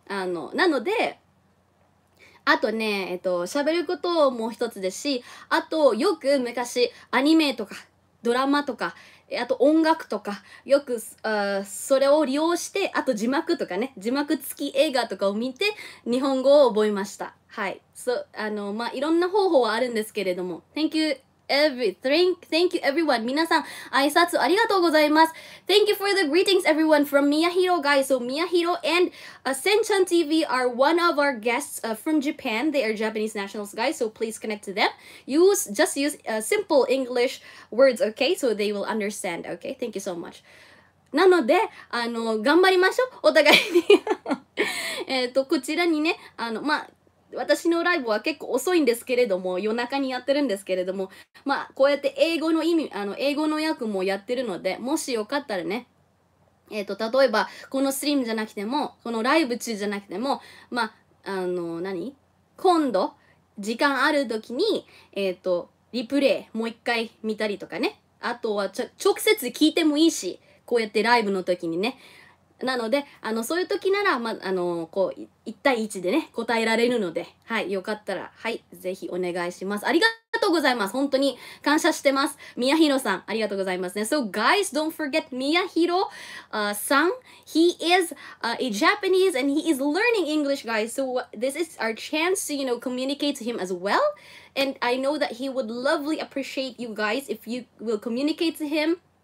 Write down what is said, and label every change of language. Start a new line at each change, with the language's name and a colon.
Japanese: あの、なので、あとね、しゃべることも一つですし、あと、よく昔、アニメとか、ドラマとか、あと音楽とか、よく、それを利用して、あと字幕とかね、字幕付き映画とかを見て、日本語を覚えました。はい。そう、あの、まあ、いろんな方法はあるんですけれども、
English: Thank you! Thank you everyone.
Japanese: 皆さん、挨拶ありがとうございます。
English: Thank you for the greetings everyone from Miyahiro guys. So Miyahiro and Senchan TV are one of our guests from Japan. They are Japanese nationals guys. So please connect to them. Just use simple English words, okay? So they will understand, okay? Thank you so much.
Japanese: なので、あの、頑張りましょう。お互いに。こちらにね、あの、まあ、私のライブは結構遅いんですけれども、夜中にやってるんですけれども、まあ、こうやって英語の意味、あの、英語の訳もやってるので、もしよかったらね、例えば、このストリームじゃなくても、このライブ中じゃなくても、まあ、あの、何？今度、時間ある時に、リプレイ、もう一回見たりとかね、あとは、直接聞いてもいいし、こうやってライブの時にね、なので、あの、そういう時なら、ま、あの、こう、1対1でね、答えられるので、はい、よかったら、はい、ぜひお願いします。ありがとうございます。本当に感謝してます。宮弘さん、ありがとうございますね。
English: So, guys, don't forget, 宮弘、さん、he is、a Japanese and he is learning English, guys. So, this is our chance to, you know, communicate to him as well. And I know that he would lovely appreciate you guys if you will communicate to him.